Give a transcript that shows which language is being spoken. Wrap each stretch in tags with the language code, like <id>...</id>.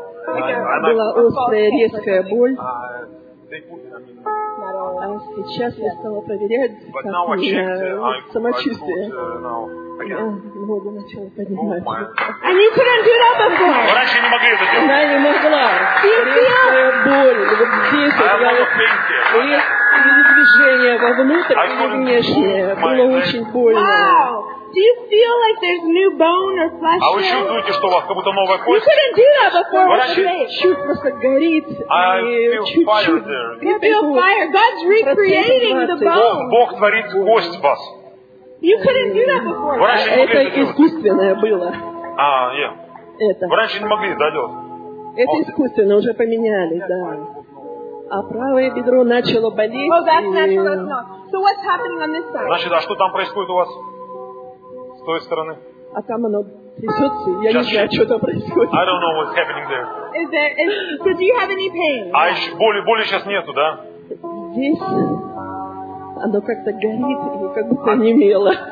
<ru>Была острая, резкая боль. А сейчас я стала проверять, как у меня самочувствие. Ногу начала подниматься.</ru> <en>And you couldn't do that before.</en> <ru>Раньше не могли это делать. Да, не могла. Резкая боль. Вот здесь передвижение вовнутрь и внешнее. Было очень больно.</ru> <en>Do you feel like there's new bone or flesh?</en> <ru>А вы чувствуете, что у вас как будто новая кость?</ru> <en>You couldn't do that before.</en> <ru>Чуть просто горит.</ru> <en>You feel fire. God's recreating the bone.</en> <ru>Бог творит кость в вас.</ru> <en>You couldn't do that before.</en> <ru>Это искусственное было. А, нет. Вы раньше не могли, да, Лёд? Это искусственно, уже поменяли, да. А правое бедро начало болеть.</ru> <en>Oh, that's natural, that's not. So what's happening on this side?</en> <ru>Значит, а что там происходит у вас? С той стороны. А там оно трясется, я не знаю, что там происходит.</ru> <en>I don't know what's happening there. So do you have any pain?</en> <ru>А еще боли сейчас нету, да? Здесь оно как-то горит, как будто немело.</ru>